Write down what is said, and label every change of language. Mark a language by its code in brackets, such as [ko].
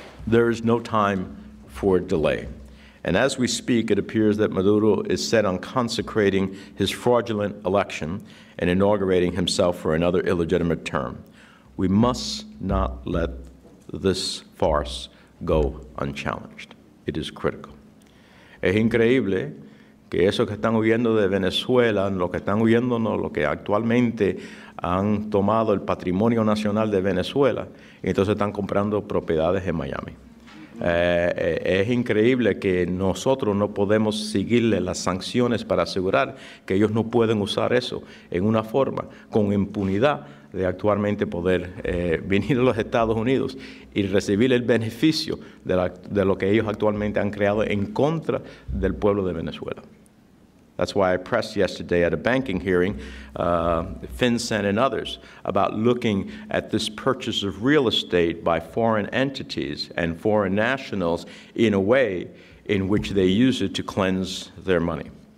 [en] There is no time for delay. And as we speak, it appears that Maduro is set on consecrating his fraudulent election and inaugurating himself for another illegitimate term. We must not let this farce go unchallenged. It is critical. [es] Es increíble que esos que están huyendo de Venezuela, los que están huyendo, no, los que actualmente han tomado el patrimonio nacional de Venezuela, y entonces están comprando propiedades en Miami. Es increíble que nosotros no podemos seguirle las sanciones para asegurar que ellos no pueden usar eso en una forma con impunidad de actualmente poder venir a los Estados Unidos y recibir el beneficio de lo que ellos actualmente han creado en contra del pueblo de Venezuela. [en] That's why I pressed yesterday at a banking hearing, FinCEN and others, about looking at this purchase of real estate by foreign entities and foreign nationals in a way in which they use it to cleanse their money.